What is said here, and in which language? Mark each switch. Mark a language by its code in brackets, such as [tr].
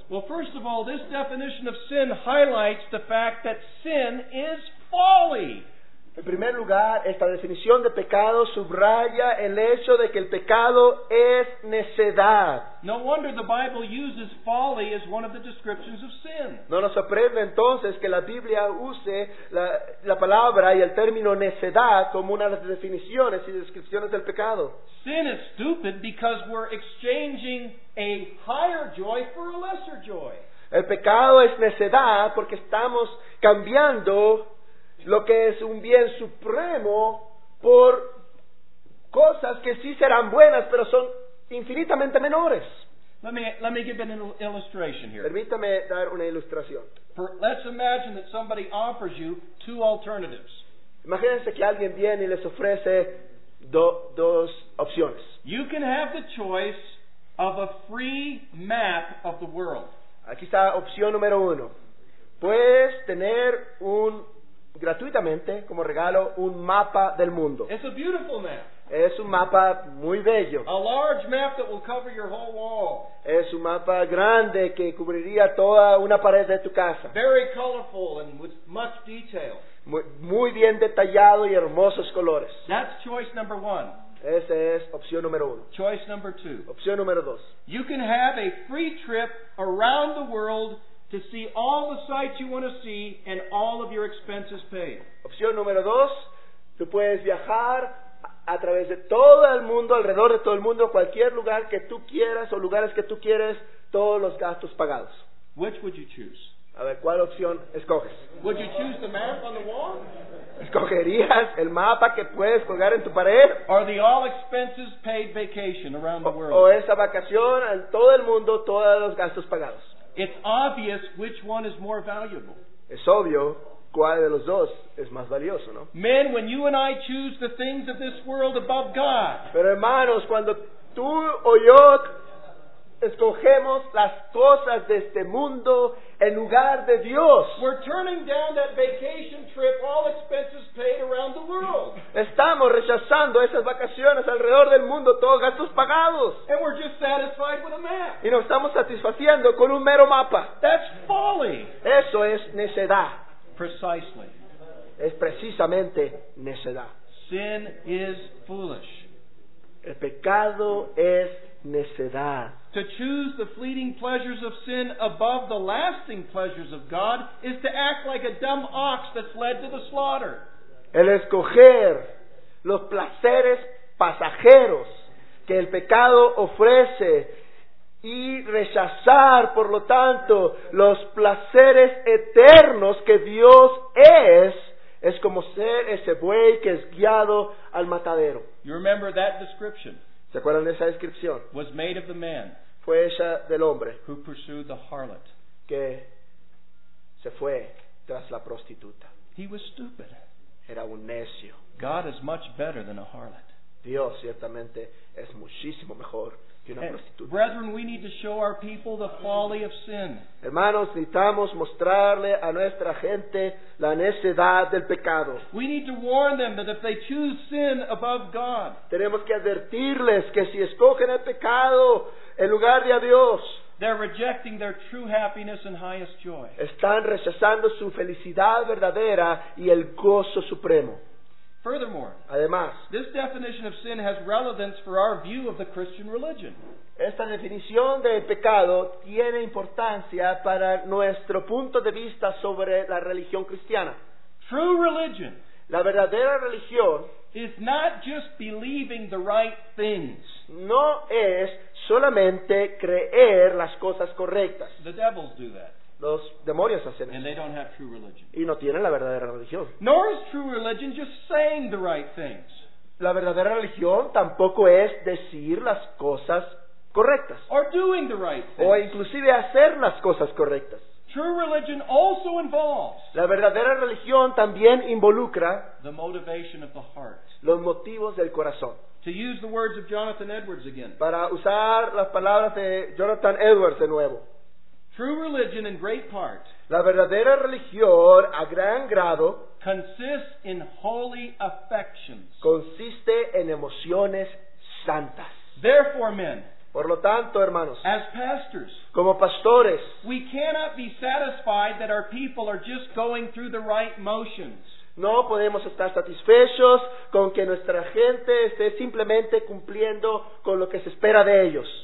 [en] Well, first of all, this definition of sin highlights the fact that sin is folly. [es] En primer lugar, esta definición de pecado subraya el hecho de que el pecado es necedad. [en] No wonder the Bible uses folly as one of the descriptions of sin. [es] No nos sorprende entonces que la Biblia use la palabra y el término necedad como una de las definiciones y descripciones del pecado. [en] Sin is stupid because we're exchanging a higher joy for a lesser joy. [es] El pecado es necedad porque estamos cambiando lo que es un bien supremo por cosas que sí serán buenas, pero son infinitamente menores. [en] Let me give an illustration here. [es] Permítame dar una ilustración. [en] Let's imagine that somebody offers you two alternatives. [es] Imagínense que alguien viene y les ofrece dos opciones. [en] You can have the choice of a free map of the world. [es] Aquí está opción número uno. Puedes tener un gratuitamente como regalo un mapa del mundo. [en] It's a beautiful map. [es] Es un mapa muy bello. [en] A large map that will cover your whole wall. [es] Es un mapa grande que cubriría toda una pared de tu casa. [en] Very colorful and with much detail. [es] Muy bien detallado y hermosos colores. [en] That's choice number one. [es] Esa es opción número uno. [en] Choice number two. [es] Opción número dos. [en] You can have a free trip around the world to see all the sights you want to see and all of your expenses paid. [es] Opción número dos, tú puedes viajar a través de todo el mundo, alrededor de todo el mundo, cualquier lugar que tú quieras o lugares que tú quieres, todos los gastos pagados. [en] Which would you choose? [es] A ver, ¿cuál opción escoges? [en] Would you choose the map on the wall? [es] ¿Escogerías el mapa que puedes colgar en tu pared? [en] Or the all expenses paid vacation around the world? [es] O esa vacación en todo el mundo, todos los gastos pagados. [en] It's obvious which one is more valuable. [es] Es obvio cuál de los dos es más valioso, ¿no? [en] Men, when you and I choose the things of this world above God. [es] Pero hermanos, cuando tú o yo escogemos las cosas de este mundo en lugar de Dios. [en] We're turning down that vacation trip, all expenses paid around the world. [es] Estamos rechazando esas vacaciones alrededor del mundo, todos gastos pagados. [en] And we're just satisfied with a map. [es] Y nos estamos satisfaciendo con un mero mapa. [en] That's folly. [es] Eso es necedad. [en] Precisely. [es] Es precisamente necedad. [en] Sin is foolish. [es] El pecado es necedad. [en] To choose the fleeting pleasures of sin above the lasting pleasures of God is to act like a dumb ox that's led to the slaughter. [es] El escoger los placeres pasajeros que el pecado ofrece y rechazar, por lo tanto, los placeres eternos que Dios es como ser ese buey que es guiado al matadero. [en] You remember that description? [es] ¿Se acuerdan de esa descripción? [en] Was made of the man. [es] Fue esa del hombre [en] who pursued the harlot. [es] Que se fue tras la prostituta. [en] He was stupid. [es] Era un necio. [en] God is much better than a harlot. [es] Dios ciertamente es muchísimo mejor que una prostituta. [en] Brethren, we need to show our people the folly of sin. [es] Hermanos, necesitamos mostrarle a nuestra gente la necedad del pecado. [en] We need to warn them that if they choose sin above God. [es] Tenemos que advertirles que si escogen el pecado en lugar de a Dios, [en] they're rejecting their true happiness and highest joy. [es] Están rechazando su felicidad verdadera y el gozo supremo. [en] Furthermore, [es] además, [en] this definition of sin has relevance for our view of the Christian religion. [es] Esta definición del pecado tiene importancia para nuestro punto de vista sobre la religión cristiana. [en] True religion, [es] la verdadera religión, [en] is not just believing the right things. [es] No es solamente creer las cosas correctas. [en] The devils do that. [es] Los demonios hacen eso. [en] And they don't have true religion. [es] Y no tienen la verdadera religión. [en] Nor is true religion just saying the right things. [es] La verdadera religión tampoco es decir las cosas correctas. [en] Or doing the right things. [es] O inclusive hacer las cosas correctas. [en] True religion also involves. [es] La verdadera religión también involucra [en] the motivation of the heart. [es] Los motivos del corazón. [en] To use the words of Jonathan Edwards again. [es] Para usar las palabras de Jonathan Edwards de nuevo. [en] True religion in great part. [es] La verdadera religión a gran grado [en] consists in holy affections. [es] Consiste en emociones santas. [en] Therefore, men. [es] Por lo tanto, hermanos, [en] as pastors, [es] como pastores, [en] we cannot be satisfied that our people are just going through the right motions. [es] No podemos estar satisfechos con que nuestra gente esté simplemente cumpliendo con lo que se espera de ellos.